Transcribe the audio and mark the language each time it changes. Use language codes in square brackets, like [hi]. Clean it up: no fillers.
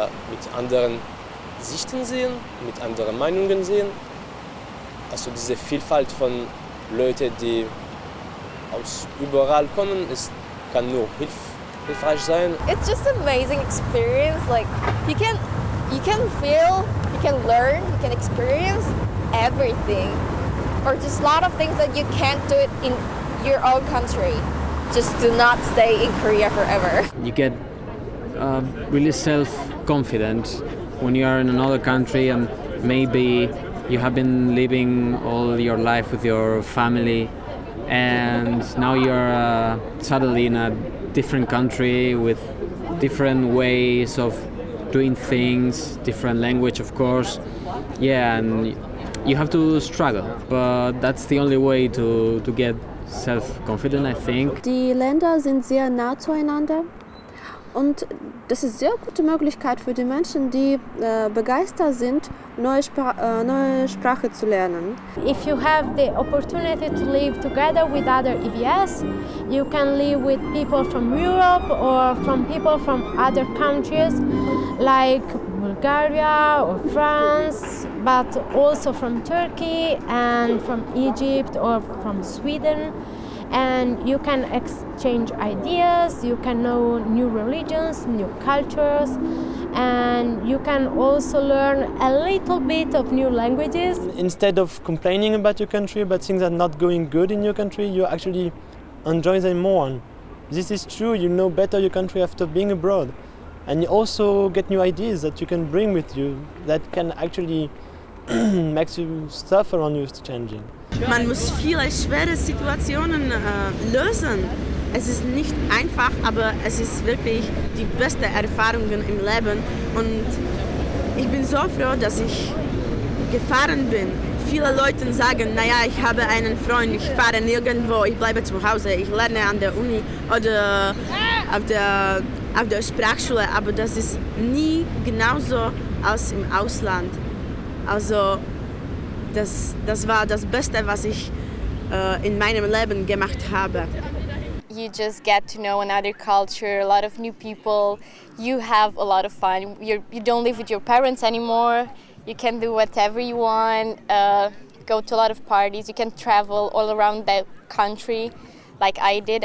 [de] mit anderen Sichten sehen, mit anderen Meinungen sehen. Also diese Vielfalt von Leuten, die aus überall kommen, ist, kann nur hilfreich sein. [en] It's just an amazing experience. Like you can feel, you can learn, you can experience everything. Or just a lot of things that you can't do it in your own country. Just do not stay in Korea forever. You get really self-confident when you are in another country and maybe you have been living all your life with your family and now you're suddenly in a different country with different ways of doing things, different language of course. Yeah, and you have to struggle, but that's the only way to get self-confident, I think. [de] Die Länder sind sehr nah zueinander und das ist sehr gute Möglichkeit für die Menschen, die begeistert sind, neue Sprache zu lernen. [en] If you have the opportunity to live together with other EVS, you can live with people from Europe or from people from other countries like Bulgaria or France, but also from Turkey and from Egypt or from Sweden. And you can exchange ideas, you can know new religions, new cultures, and you can also learn a little bit of new languages. Instead of complaining about your country, about things that are not going good in your country, you actually enjoy them more. This is true, you know better your country after being abroad. And you also get new ideas that you can bring with you that can actually make you stuff around you changing. [de] Man muss viele schwere Situationen lösen. Es ist nicht einfach, aber es ist wirklich die beste Erfahrung im Leben. Und ich bin so froh, dass ich gefahren bin. Viele Leute sagen, naja, ich habe einen Freund, ich fahre nirgendwo, ich bleibe zu Hause, ich lerne an der Uni oder auf der Sprachschule, aber das ist nie genauso als im Ausland. Also das war das Beste, was ich in meinem Leben gemacht habe. [en] You just get to know another culture, a lot of new people. You have a lot of fun. You don't live with your parents anymore. You can do whatever you want, go to a lot of parties. You can travel all around the country like I did.